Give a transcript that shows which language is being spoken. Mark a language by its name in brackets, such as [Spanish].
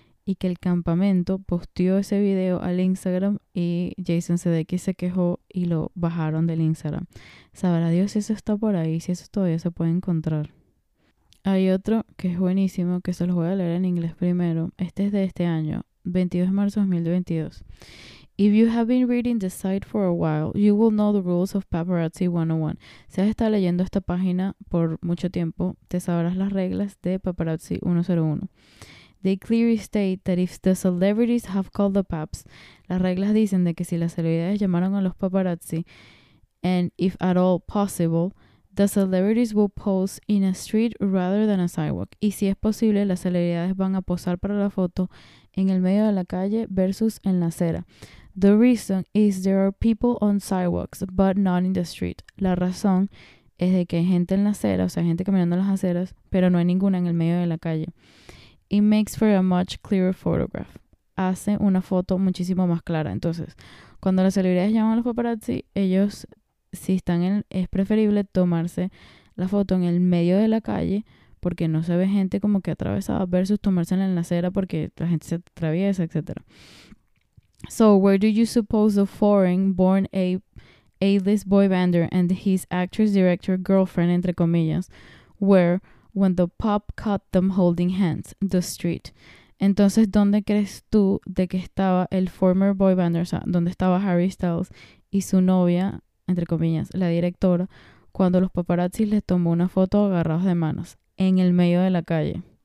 [Spanish] Y que el campamento posteó ese video al Instagram y Jason Sudeikis se quejó y lo bajaron del Instagram. Sabrá Dios si eso está por ahí, si eso todavía se puede encontrar. Hay otro que es buenísimo, que se los voy a leer en inglés primero. Este es de este año, 22 de marzo de 2022. [English] If you have been reading the site for a while, you will know the rules of Paparazzi 101. [Spanish] Si has estado leyendo esta página por mucho tiempo, te sabrás las reglas de Paparazzi 101. [English] They clearly state that if the celebrities have called the paps, [Spanish] las reglas dicen de que si las celebridades llamaron a los paparazzi, [English] and if at all possible, the celebrities will pose in a street rather than a sidewalk. [Spanish] Y si es posible, las celebridades van a posar para la foto en el medio de la calle versus en la acera. [English] The reason is there are people on sidewalks, but not in the street. [Spanish] La razón es de que hay gente en la acera, o sea, gente caminando en las aceras, pero no hay ninguna en el medio de la calle. [English] It makes for a much clearer photograph. [Spanish] Hace una foto muchísimo más clara. Entonces, cuando las celebridades llaman a los paparazzi, ellos, si están en, es preferible tomarse la foto en el medio de la calle, porque no se ve gente como que atravesada, versus tomársela en la acera porque la gente se atraviesa, etc. [English] So, where do you suppose the foreign-born A-list boy bander and his actress-director girlfriend, [Spanish] entre comillas, [English] were when the pop caught them holding hands, the street? [Spanish] Entonces, ¿dónde crees tú de que estaba el [English] former boy bander, [Spanish] o sea, dónde estaba Harry Styles y su novia, entre comillas, la directora, cuando los paparazzi les tomó una foto agarrados de manos, en el medio de la calle?